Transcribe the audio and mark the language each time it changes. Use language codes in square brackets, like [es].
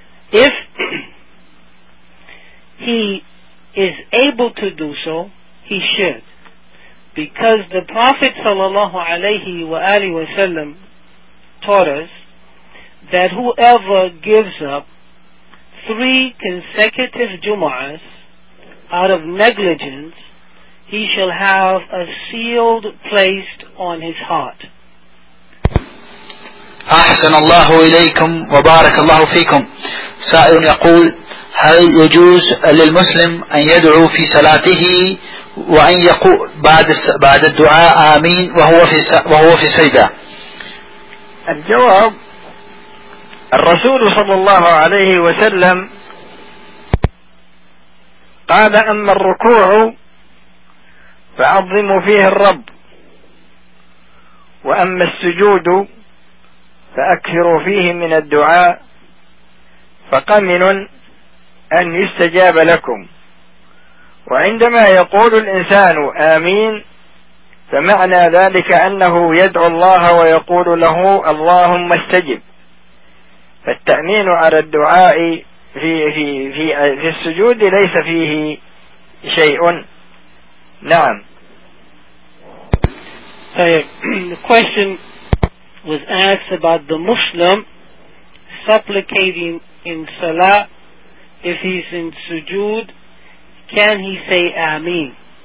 [en] If he is able to do so, he should, because the Prophet sallallahu alaihi wa alihi wasallam taught us that whoever gives up three consecutive Jum'ahs out of negligence, he shall have a sealed placed on his heart. [ar] أحسن الله إليكم وبارك الله فيكم. سائل يقول, هل يجوز للمسلم أن يدعو في صلاته وأن يقول بعد الدعاء آمين وهو في سجدة؟ الجواب, الرسول صلى الله عليه وسلم قال, أما الركوع فعظم فيه الرب, وأما السجود فأكثر فيه من الدعاء, فقمن أن يستجاب لكم. وعندما يقول الإنسان آمين فمعنى ذلك أنه يدعو الله ويقول له اللهم استجب, التأمين على الدعاء في السجود ليس فيه شيء. نعم. طيب. [en] The question was asked about the Muslim supplicating in Salah. If he's in sujood, can he say Ameen?